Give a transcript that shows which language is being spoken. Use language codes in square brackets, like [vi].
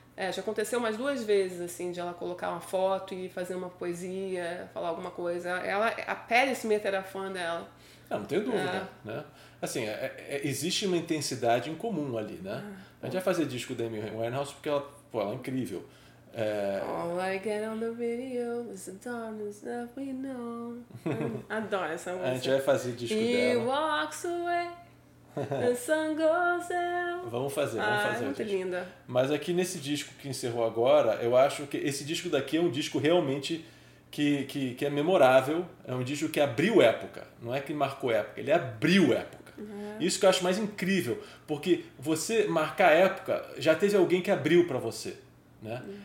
[pt] já aconteceu umas duas vezes, assim, de ela colocar uma foto e fazer uma poesia, falar alguma coisa. A Patti Smith era fã dela. Não tenho dúvida, né? Assim, existe uma intensidade em comum ali, né? A gente vai fazer disco da Amy Winehouse porque ela, pô, ela é incrível. [en] All I get on the video is the darkness that we know. [pt] Adoro essa música. A gente vai fazer disco [en] He [pt] dela. [en] He walks away, the sun goes down. [pt] Vamos fazer. Muito linda. Mas aqui nesse disco que encerrou agora, eu acho que esse disco daqui é um disco realmente que é memorável. É um disco que abriu época. Não é que marcou época, ele abriu época. Uhum. Isso que eu acho mais incrível, porque você marcar época, já teve alguém que abriu pra você, né? Uhum.